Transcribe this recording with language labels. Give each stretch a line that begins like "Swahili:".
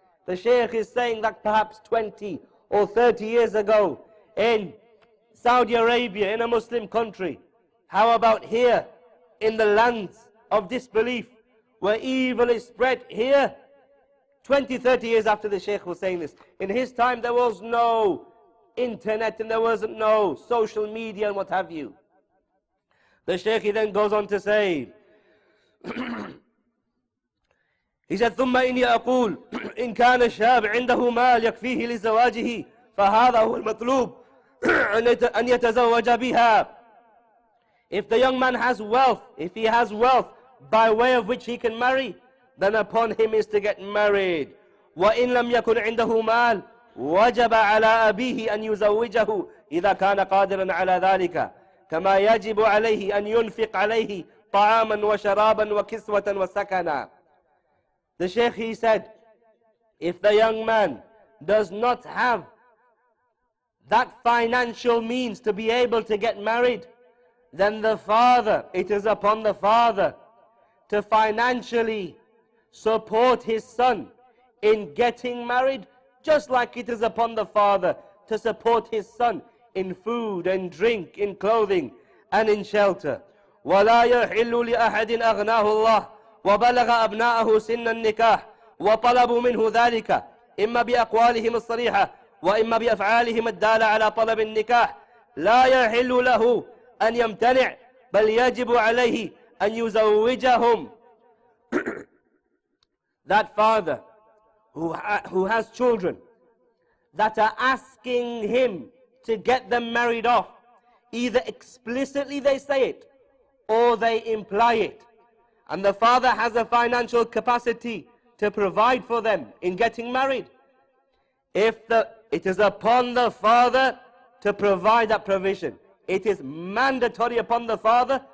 English: The Shaykh is saying that perhaps 20 or 30 years ago in Saudi Arabia, in a Muslim country, how about here in the lands of disbelief where evil is spread, here 20, 30 years after the Shaykh was saying this, in his time there was no internet and there wasn't no social media and what have you. The Shaykh, he then goes on to say, he said,
Arabic: ثم إني أقول إن كان الشاب عنده مال يكفيه لزواجه فهذا هو المطلوب أن يتزوج بها.
English: If the young man has wealth, if he has wealth by way of which he can marry, then upon him is to get married.
Arabic: وإن لم يكن عنده مال وجب على أبيه أن يزوجه إذا كان قادرا على ذلك كما يجب عليه أن ينفق عليه طعاما وشرابا وكسوة وسكنا.
English: The Shaykh, he said, if the young man does not have that financial means to be able to get married, then the father, it is upon the father to financially support his son in getting married, just like it is upon the father to support his son in food and drink, in clothing and in shelter.
Arabic: وَلَا يَحِلُّ لِأَحَدٍ أَغْنَاهُ اللَّهُ وبلغ أبناءه سن النكاح وطلبوا منه ذلك إما بأقوالهم الصريحة وإما بأفعالهم الدالة على طلب النكاح لا يحل له أن يمتنع بل يجب عليه أن يزوجهم.
English: That father who has children that are asking him to get them married off, either explicitly they say it or they imply it, and the father has a financial capacity to provide for them in getting married, it is upon the father to provide that provision. It is mandatory upon the father